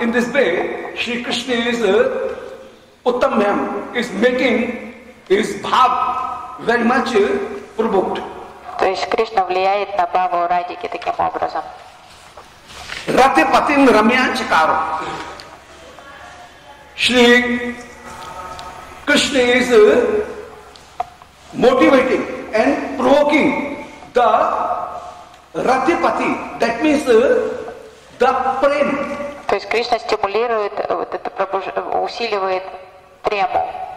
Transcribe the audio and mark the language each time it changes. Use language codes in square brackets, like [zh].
[en] In this way, Shri Krishna is Uttamhyam is making his bhav very much provoked. [ru] То есть Кришна влияет на бхаву Радики таким образом. [sa] Ratipatim Ramyanchikara. [en] Shri Krishna is motivating and provoking the ratipati, that means the prem. [ru] То есть Кришна стимулирует, вот это усиливает прему.